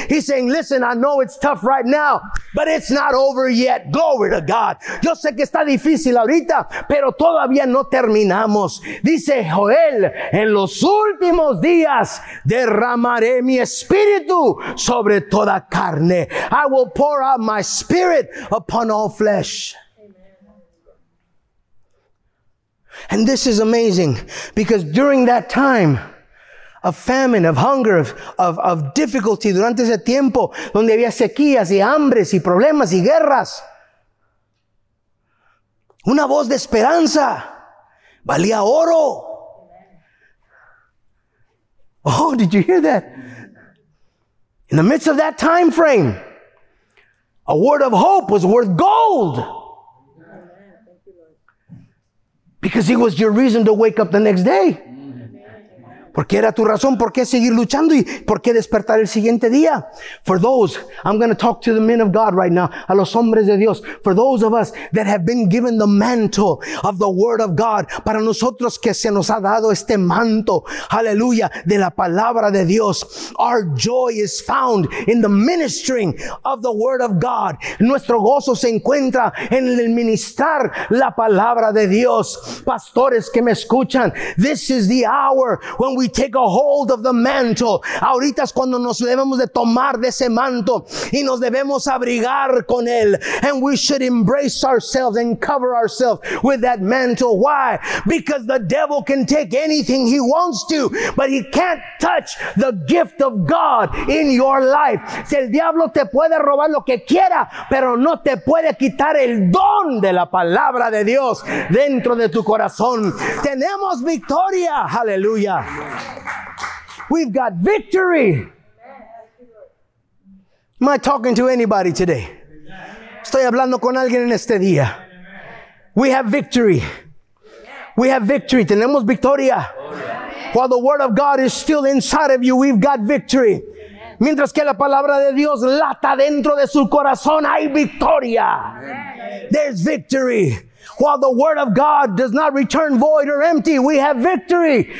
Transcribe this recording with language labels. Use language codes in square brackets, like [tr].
[en] He's saying, listen, I know it's tough right now, but it's not over yet. Glory to God. [es] Yo sé que está difícil ahorita, pero todavía no terminamos. Dice Joel, en los últimos días derramaré mi espíritu sobre toda carne. [en] I will pour out my spirit upon all flesh. Amen. And this is amazing because during that time of famine, of hunger, of difficulty, [es] durante ese tiempo donde había sequías y hambres y problemas y guerras, una voz de esperanza valía oro. [en] Oh, did you hear that? In the midst of that time frame, a word of hope was worth gold. Because it was your reason to wake up the next day. [es] Porque era tu razón, por qué seguir luchando y por qué despertar el siguiente día. [en] For those, I'm going to talk to the men of God right now, [es] a los hombres de Dios. [en] For those of us that have been given the mantle of the word of God, [es] para nosotros que se nos ha dado este manto, [en] hallelujah, [es] de la palabra de Dios, [en] our joy is found in the ministering of the word of God. [es] Nuestro gozo se encuentra en el ministrar la palabra de Dios. Pastores que me escuchan, [en] this is the hour when we take a hold of the mantle. [es] Ahorita es cuando nos debemos de tomar de ese manto y nos debemos abrigar con él. [en] And we should embrace ourselves and cover ourselves with that mantle. Why? Because the devil can take anything he wants to, but he can't touch the gift of God in your life. [es] Si el diablo te puede robar lo que quiera, pero no te puede quitar el don de la palabra de Dios dentro de tu corazón. Tenemos victoria. Hallelujah. [en] We've got victory. Am I talking to anybody today? [es] Estoy hablando con alguien en este día. [en] We have victory. We have victory. [es] Tenemos victoria. [en] While the word of God is still inside of you, we've got victory. [es] Mientras que la palabra de Dios lata dentro de su corazón, hay victoria. [en] There's victory. While the word of God does not return void or empty, we have victory.